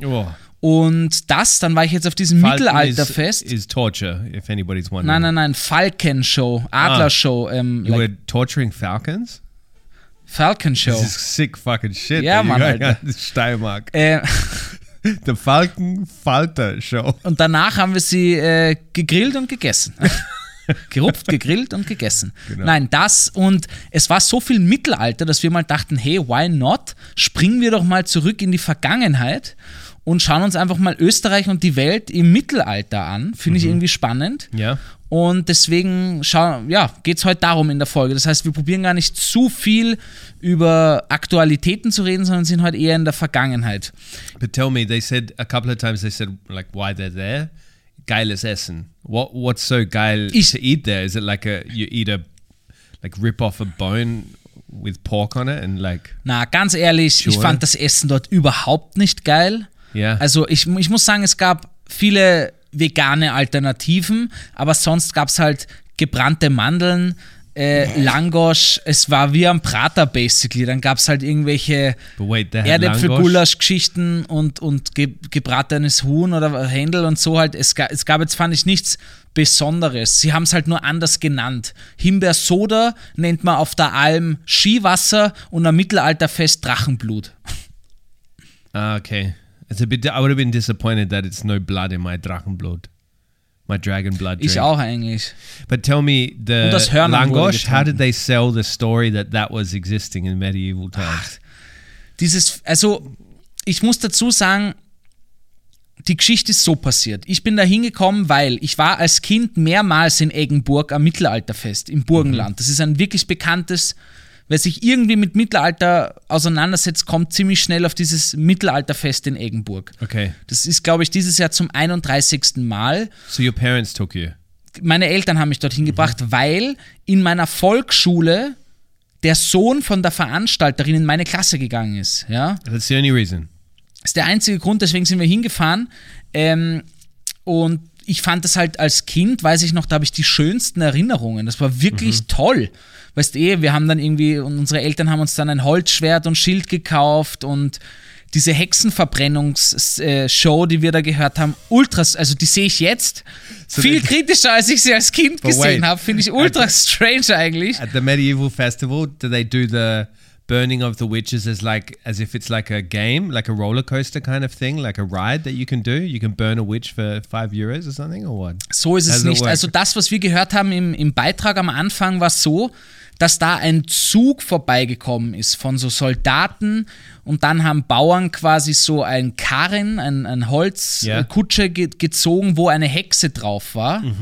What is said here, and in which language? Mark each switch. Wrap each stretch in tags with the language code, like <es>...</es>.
<de>Oh. Und das, dann war ich jetzt auf diesem Falken Mittelalterfest.</de> <en>Falken is torture, if anybody's wondering.</en> <de>Nein, nein, nein, Falkenshow, Adlershow. Ah.</de> <en>You were torturing falcons?</en> <de>Falkenshow.</de> <en>This is sick fucking shit.</en> <de>Ja, Mann, Alter.</de> <en>Steiermark. The Falken Falter Show.</en> <de>Und danach haben wir sie gegrillt und gegessen. Gerupft, gegrillt und gegessen. Genau. Nein, das und es war so viel Mittelalter, dass wir mal dachten,</de> <en>hey, why not?</en> <de>Springen wir doch mal zurück in die Vergangenheit und schauen uns einfach mal Österreich und die Welt im Mittelalter an. Finde ich irgendwie spannend. Ja. Und deswegen geht es heute darum in der Folge. Das heißt, wir probieren gar nicht zu viel über Aktualitäten zu reden, sondern sind heute eher in der Vergangenheit.</de> <en>But tell me, they said a couple of times, they said like why they're there.</en> <de>Geiles Essen.</de> <en>What's so geil to eat there? Is it like you rip off a bone with pork on it and like...</en> <de>Na, ganz ehrlich, sure. Ich fand das Essen dort überhaupt nicht geil.</de> <en>Yeah.</en> <de>Also ich muss sagen, es gab viele vegane Alternativen, aber sonst gab es halt gebrannte Mandeln, Langosch, es war wie am Prater basically, dann gab es halt irgendwelche Erdäpfel-Gulasch-Geschichten und gebratenes Huhn oder Händel und so halt, es gab jetzt fand ich nichts Besonderes, sie haben es halt nur anders genannt, Himbeersoda nennt man auf der Alm Skiwasser und am Mittelalterfest Drachenblut.</de> <en>Ah, okay. It's a bit, I would have been disappointed that it's no blood in my Drachenblut. My dragon blood drink.</en> <de>Ich auch eigentlich.</de> <en>But tell me, the Langosch, how did they sell the story that that was existing in medieval times?</en> <de>Ach, ich muss dazu sagen, die Geschichte ist so passiert. Ich bin da hingekommen, weil ich war als Kind mehrmals in Eggenburg am Mittelalterfest im Burgenland. Das ist ein wirklich bekanntes... Wer sich irgendwie mit Mittelalter auseinandersetzt, kommt ziemlich schnell auf dieses Mittelalterfest in Eggenburg. Okay. Das ist, glaube ich, dieses Jahr zum 31. Mal.</de> <en>So your parents took you?</en> <de>Meine Eltern haben mich dorthin gebracht, weil in meiner Volksschule der Sohn von der Veranstalterin in meine Klasse gegangen ist. Ja?</de> <en>That's the only reason.</en> <de>Das ist der einzige Grund, deswegen sind wir hingefahren. Und ich fand das halt als Kind, weiß ich noch, da habe ich die schönsten Erinnerungen. Das war wirklich toll. Weißt du, wir haben dann irgendwie, unsere Eltern haben uns dann ein Holzschwert und Schild gekauft und diese Hexenverbrennungsshow, die wir da gehört haben, ultras, also die sehe ich jetzt viel kritischer, als ich sie als Kind gesehen habe. Finde ich ultra strange eigentlich.</de> <en>At the medieval festival, do they do the burning of the witches as like, as if it's like a game, like a roller coaster kind of thing, like a ride that you can do? You can burn a witch for 5 euros or something or what?</en> <de>So ist es nicht. Also das, was wir gehört haben im Beitrag am Anfang, war so, dass da ein Zug vorbeigekommen ist von so Soldaten und dann haben Bauern quasi so einen Karren, ein Holzkutsche gezogen, wo eine Hexe drauf war.</de>